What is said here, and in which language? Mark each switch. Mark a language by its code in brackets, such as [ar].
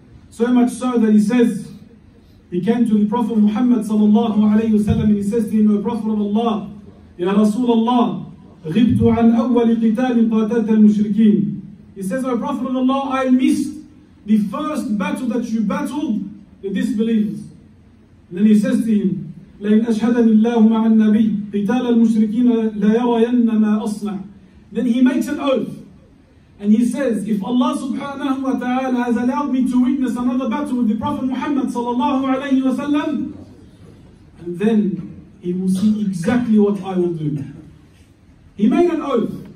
[en] So much so that he says, he came to the Prophet Muhammad sallallahu alayhi wa sallam and he says to him, O Prophet of Allah, Ya Rasul Allah, [ar] غبت عن أول قتال قاتلت المشركين. [en] He says, O Prophet of Allah, I missed the first battle that you battled the disbelievers. And then he says to him, [ar] لئن أشهدني الله مع النبي قتال المشركين لا يرين ما أصنع. [en] Then he makes an oath, and he says, if Allah subhanahu wa ta'ala has allowed me to witness another battle with the Prophet Muhammad sallallahu alayhi wa sallam, and then he will see exactly what I will do. He made an oath.